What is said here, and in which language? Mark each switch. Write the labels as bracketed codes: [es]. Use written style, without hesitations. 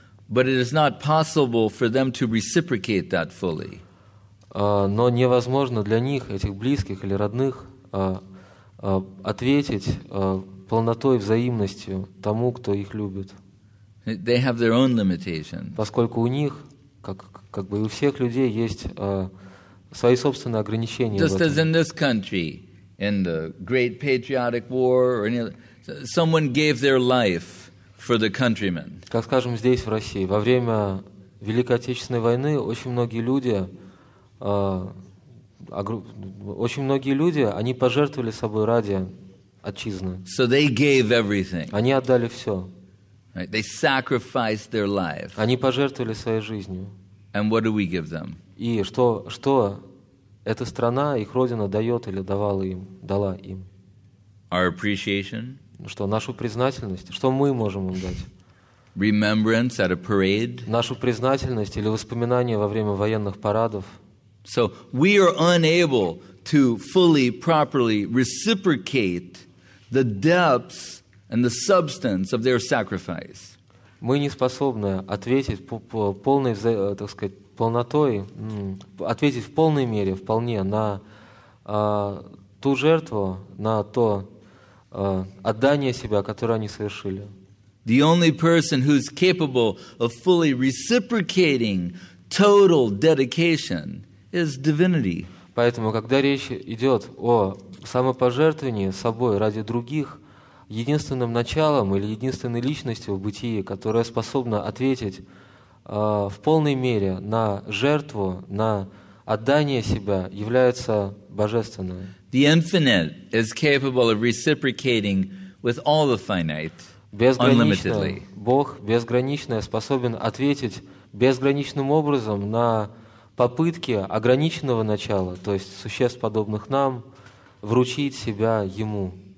[en] But it is not possible for them to reciprocate that fully. [ru] Но невозможно для них, этих близких или родных, ответить полнотой взаимностью тому, кто их любит. [en] They have their own limitations. [ru] Поскольку у них, как бы у всех людей, есть свои собственные ограничения. [en] Just as in this country, in the Great Patriotic War, or any other, someone gave their life for the countrymen. [ru] Как, скажем, здесь, в России, во время Великой Отечественной войны очень многие люди они пожертвовали собой ради отчизны. [en] So they gave everything. [ru] Они отдали все. [en] Right? They sacrificed their life. [ru] Они пожертвовали своей жизнью. [en] And what do we give them? [ru] И что эта страна, их родина дает или давала им, дала им? [en] Our appreciation? [ru] Что, нашу признательность? Что мы можем им дать? [en] Remembrance at a parade? [ru] Нашу признательность или воспоминания во время военных парадов? [en] So we are unable to fully, properly reciprocate the depths and the substance of their sacrifice. [ru] Мы не способны ответить полной, так сказать, полнотой, ответить в полной мере, вполне на ту жертву, на то отдание себя, которое они совершили. [en] The only person who's capable of fully reciprocating total dedication. Is divinity. [ru] Поэтому, когда речь идет о самопожертвовании собой ради других, единственным началом или единственной личностью в бытии, которая способна ответить в полной мере на жертву, на отдание себя, является божественное. [en] The infinite is capable of reciprocating with all the finite, unlimitedly. [ru] Бог безграничный способен ответить безграничным образом на попытки ограниченного начала, то есть существ, подобных нам, вручить себя Ему.